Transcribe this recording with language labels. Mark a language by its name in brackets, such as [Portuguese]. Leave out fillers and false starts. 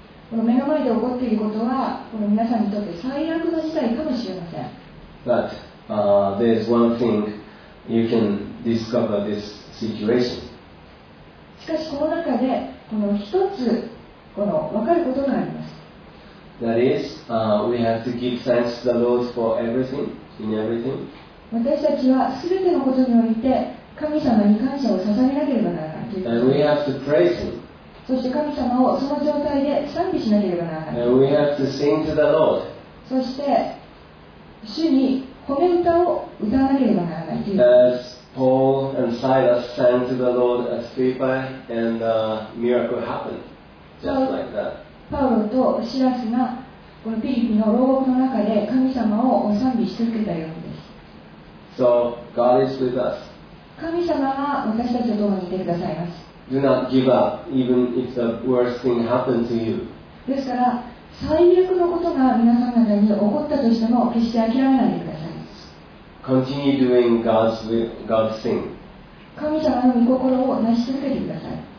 [Japanese] この目の前で起こっていることはこの皆さんにとって最悪の事態かもしれません。 [English] But there's one thing you can discover this situation. [Japanese] しかしこの中でこの一つこの分かることがあります。 [English] That is, we have to give thanks to the Lord for everything, in everything. [Japanese] 私たちはすべてのことにおいて神様に感謝を捧げなければならない。 [English] And we have to praise Him. [Japanese] そして神様をその状態で賛美しなければならない。 [English] And we have to sing to the Lord. [Japanese] そして主に褒め歌を歌わなければならない。 [English] As Paul and Silas sang to the Lord at Philippi, and the miracle happened, just like that. [Japanese] パウロとシラスがこのピリピの牢獄の中で神様をお賛美し続けたようです。 [English] So, God is with us. [Japanese] 神様が私たちと共にいてくださいます。 [English] Do not give up, even if the worst thing happened to you. [Japanese] ですから、最悪のことが皆さん方に起こったとしても、決して諦めないでください。 [English] Continue doing God's thing. [Japanese] 神様の御心を成し続けてください。